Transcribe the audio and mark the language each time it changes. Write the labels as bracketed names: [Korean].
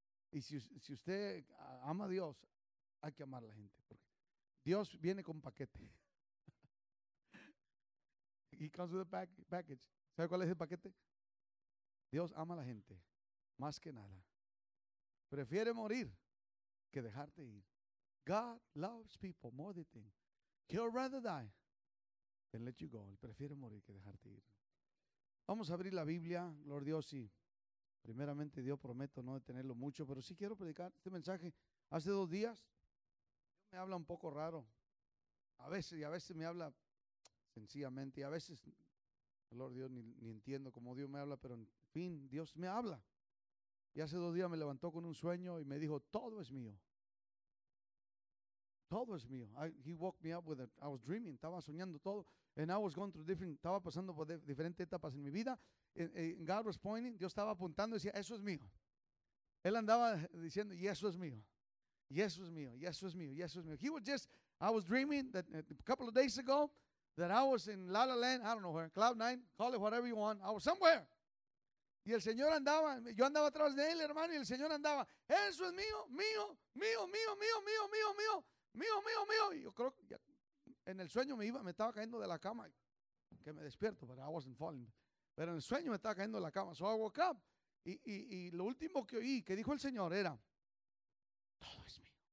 [Spanish] Y si usted ama a Dios, hay que amar a la gente. Porque Dios viene con un paquete. [English] He comes with a package. [Spanish] ¿Sabe cuál es el paquete? Dios ama a la gente más que nada. Prefiere morir que dejarte ir. [English] God loves people more than thing. He'll rather die than let you go. [Spanish] Él prefiere morir que dejarte ir. Vamos a abrir la Biblia, Gloria a Dios. Y primeramente Dios prometo no detenerlo mucho, pero sí quiero predicar este mensaje. Hace dos días Dios me habla un poco raro. A veces me habla sencillamente y a veces, Gloria a Dios, ni entiendo cómo Dios me habla, pero en fin, Dios me habla. Y hace dos días me levantó con un sueño y me dijo, todo es mío. Todo es mío. [English] He woke me up with it. I was dreaming. [Spanish] Estaba soñando todo. [English] And I was going through different. [Spanish] Estaba pasando por diferentes etapas en mi vida. [English] And God was pointing. [Spanish] Dios estaba apuntando y decía, eso es mío. Él andaba diciendo, y eso es mío. Y eso es mío. Y eso es mío. Y eso es mío. [English] I was dreaming that a couple of days ago that I was in La La Land. I don't know where. Cloud 9. Call it whatever you want. I was somewhere. [Spanish] Y el Señor andaba, yo andaba atrás de él, hermano, y el Señor andaba, eso es mío, mío, mío, mío, mío, mío, mío, mío, mío, mío, mío. Y yo creo que ya, en el sueño me estaba cayendo de la cama, que me despierto, [English] but I wasn't falling. [Spanish] Pero en el sueño me estaba cayendo de la cama, [English] so I woke up. [Spanish] Y lo último que oí, que dijo el Señor, era, todo es mío.